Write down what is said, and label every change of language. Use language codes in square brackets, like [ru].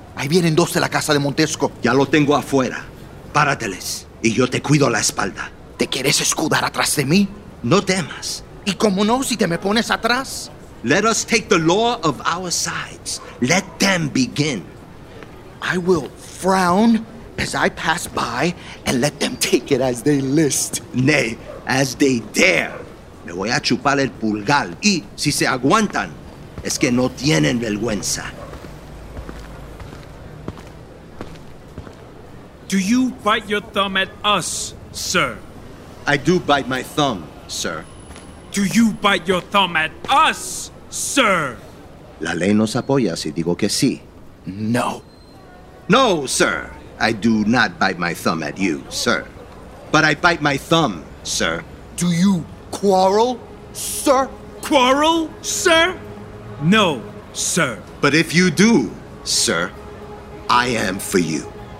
[es] Ahí vienen dos de la casa de Montesco. Ya lo tengo afuera. Párateles. Y yo te cuido la espalda. ¿Te quieres escudar atrás de mí? No temas. ¿Y cómo no si te me pones atrás? [en] Let us take the law of our sides. Let them begin. I will frown as I pass by and let them take it as they list. Nay, as they dare. [es] Me voy a chupar el pulgar. Y si se aguantan, es que no tienen vergüenza. [en] Do you bite your thumb at us, sir? I do bite my thumb, sir. Do you bite your thumb at us, sir? [es] La ley nos apoya si digo que sí. [en] No. No, sir. I do not bite my thumb at you, sir. But I bite my thumb, sir. Do you quarrel, sir? Quarrel, sir? No, sir. But if you do, sir, I am for you.